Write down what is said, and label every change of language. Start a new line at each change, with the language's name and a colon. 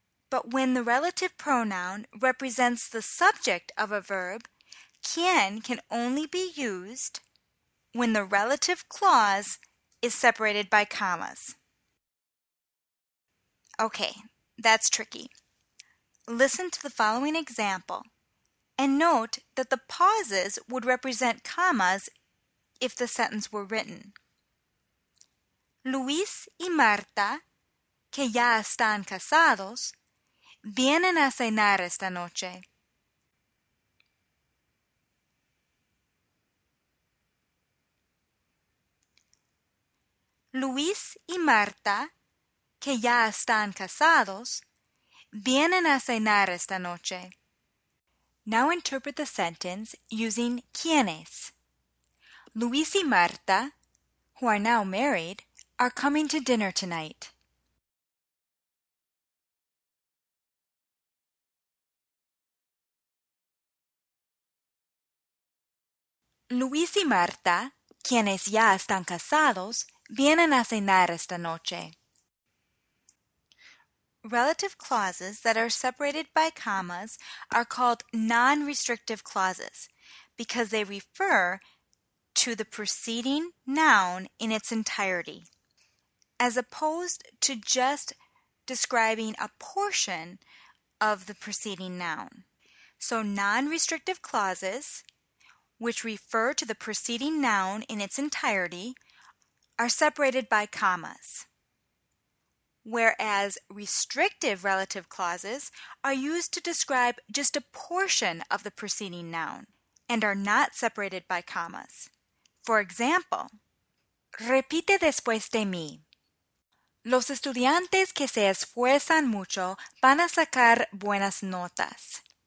English: But when the relative pronoun represents the subject of a verb, quien can only be used when the relative clause is separated by commas. Okay, that's tricky. Listen to the following example. And note that the pauses would represent commas if the sentence were written.
Spanish: Luis y Marta, que ya están casados, vienen a cenar esta noche. Luis y Marta, que ya están casados, vienen a cenar esta noche.
English: Now interpret the sentence using quiénes. Luis y Marta, who are now married, are coming to dinner tonight.
Spanish: Luis y Marta, quienes ya están casados, vienen a cenar esta noche.
English: Relative clauses that are separated by commas are called non-restrictive clauses because they refer to the preceding noun in its entirety, as opposed to just describing a portion of the preceding noun. So non-restrictive clauses, which refer to the preceding noun in its entirety, are separated by commas. Whereas restrictive relative clauses are used to describe just a portion of the preceding noun and are not separated by commas. For example,
Spanish: repite después de mí. Los estudiantes que se esfuerzan mucho van a sacar buenas notas.